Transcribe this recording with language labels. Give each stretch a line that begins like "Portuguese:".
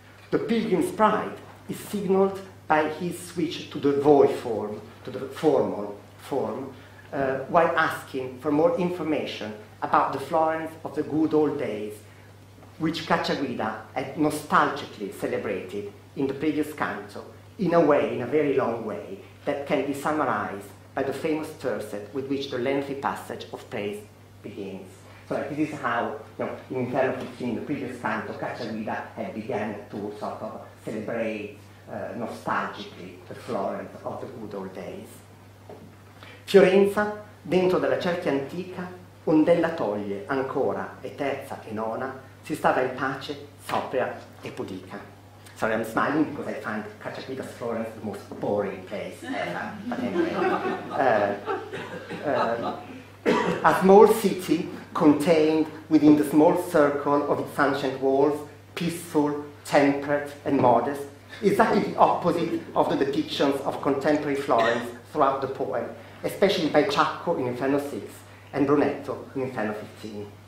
English: The pilgrim's pride is signaled by his switch to the void form, to the formal form, while asking for more information about the Florence of the good old days, which Cacciaguida had nostalgically celebrated in the previous canto, in a way, in a very long way, that can be summarized by the famous terset with which the lengthy passage of praise begins. So this is how, you know, in Inferno 15, the previous canto, Cacciaguida had begun to sort of celebrate nostalgically the Florence of the good old days.
Italian: Fiorenza, dentro della cerchia antica, ond'ella toglie ancora e terza e nona, si stava in pace, sopra e pudica.
English: Sorry, I'm smiling because I find Cacciaguida's Florence the most boring place ever. A small city contained within the small circle of its ancient walls, peaceful, temperate, and modest, exactly the opposite of the depictions of contemporary Florence throughout the poem, especially by Chacco in Inferno 6 and Brunetto in Inferno 15.